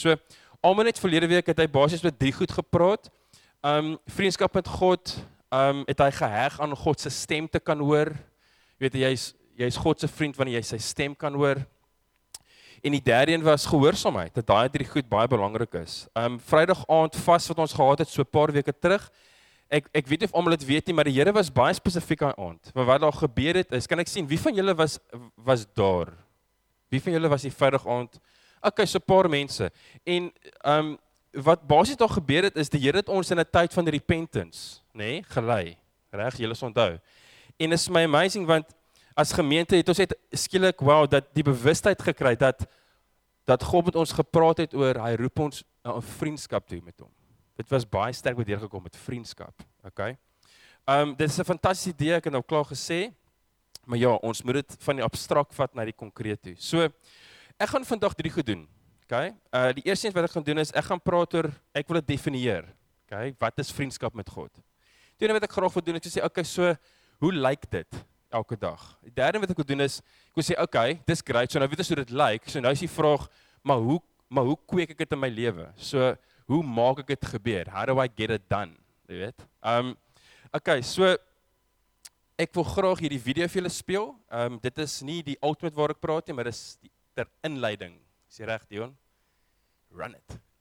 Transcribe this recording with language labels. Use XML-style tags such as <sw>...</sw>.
<af>So almal net verlede week het hy basies met drie goed gepraat. Vriendskap met God, het hy geheg aan God se stem te kan hoor. Jy weet jy's God se vriend wanneer jy sy stem kan hoor. En die derde een was gehoorsaamheid. Dat daai drie goed baie belangrik is. Vrydag aand vas wat ons gehad het so 'n paar weke terug. Ek weet nie of almal dit weet nie, maar die Here was baie spesifiek daai aand. Maar wat daar gebeur het, is kan ek sien wie van julle was daar? Wie van julle was die Vrydag aand? Okay, so 'n paar mense. En wat basies daar gebeur het is die Here het ons in 'n tyd van repentance, nê, nee, gelei. Reg, julle sal onthou. En is my amazing want as gemeente het ons net skielik wow dat die bewustheid gekry dat God met ons gepraat het oor hy roep ons 'n vriendskap toe met hom. Dit was baie sterk wat deurgekom met vriendskap, okay? Dit is 'n fantastiese idee, ek het nou klaar gesê. Maar ja, ons moet dit van die abstrakt vat na die konkreet toe. So ek gaan vandag drie goed doen. OK? Die eerste ding wat ek gaan doen is ek gaan praat oor ek wil dit definieer. OK? Wat is vriendskap met God? Tweede wat ek graag wil doen is sê OK, so hoe lyk dit elke dag? Die derde wat ek wil doen is ek wil sê OK, dis great. So nou weet ons hoe dit lyk. So nou is die vraag, maar hoe kweek ek dit in my lewe? So hoe maak ek dit gebeur?</af> <en>How do I get it done?</en> <af>Jy weet? OK, so ek wil graag hierdie video vir julle speel. Dit is nie die ultimate waar ek praat nie, maar dis die ter inleiding. Is jy reg, Dion?</af> <en>Run it.</en>